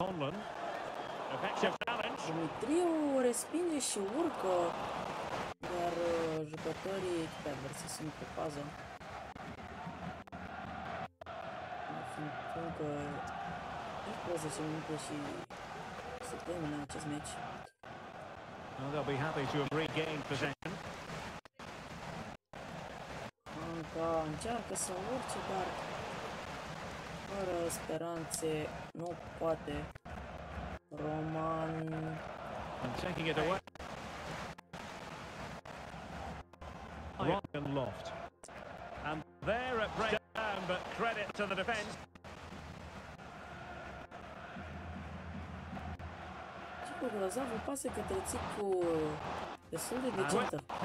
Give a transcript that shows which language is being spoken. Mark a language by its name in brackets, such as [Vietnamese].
[Romanian] Dumitriu respinge și urcă, dar jucătorii echipei adverse sunt pe fază. Încă 15 minute și se termină acest meci. [English] They'll be happy to regain possession. [Romanian] Anca încearcă să urce, dar fără speranțe nu poate. [English] Roman and taking it away. Ryan Loft. And there it breaks down, but credit to the defence. [Romanian] Glazav îl pasă către Țicu destul de decentă.